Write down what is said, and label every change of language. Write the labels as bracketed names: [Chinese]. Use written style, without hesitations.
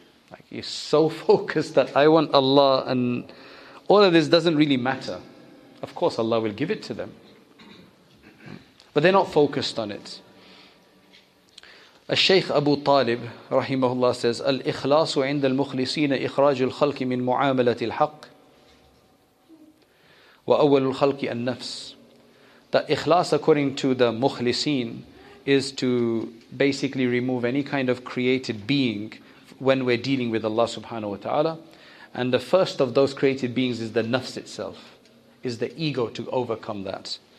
[English] Like, you're so focused that I want Allah and all of this doesn't really matter. Of course Allah will give it to them, but they're not focused on it. [Arabic] الشيخ أبو طالب رحمه الله says, الإخلاص عند المخلصين إخراج الخلق من معاملة الحق وأول الخلق النفس. [English] That إخلاص according to the مخلصين is to basically remove any kind of created being when we're dealing with Allah subhanahu wa ta'ala. And the first of those created beings is the nafs itself, is the ego, to overcome that.